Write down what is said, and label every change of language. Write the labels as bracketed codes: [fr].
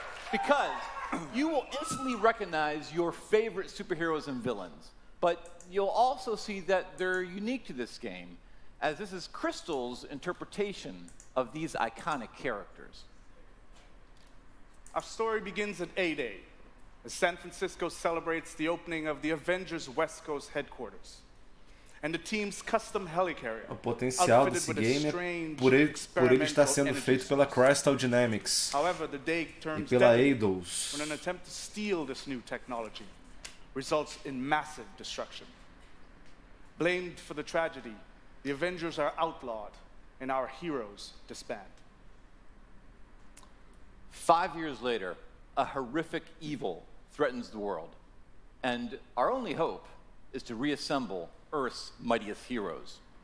[en] Because you will instantly recognize your favorite superheroes and villains, but you'll also see that they're unique to this game, as this is Crystal's interpretation of these iconic characters. Our story begins at A-Day, as San Francisco celebrates the opening of the Avengers West Coast headquarters and the team's custom helicarrier. [pt] O potencial desse game é por ele estar sendo feito pela Crystal Dynamics. [en] However, the day turns Eidos. When an attempt to steal this new technology results in massive destruction. Blamed for the tragedy, the Avengers are outlawed and our heroes disband. 5 years later, a horrific evil threatens the world, and our only hope is to reassemble Earth's mightiest heroes.